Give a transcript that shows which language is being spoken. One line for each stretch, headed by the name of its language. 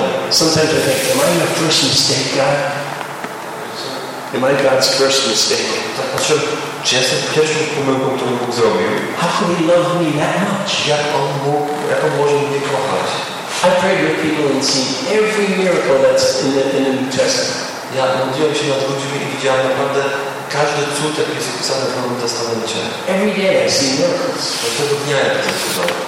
English: Sometimes I think, am I your first mistake, God? Am I God's first mistake?
Polish: Czy ja jestem pierwszą pomyłką, którą Bóg zrobił?
English: How can he love me that much?
Polish: Jak on może mnie kochać?
English: I prayed with people and seen every miracle that's in the New Testament.
Polish: Ja modliłem się nad ludźmi i widziałem naprawdę każdy cud, jaki jest opisany w Nowym Testamencie.
English: Every day I see miracles.
Polish: Każdego dnia ja widzę cuda.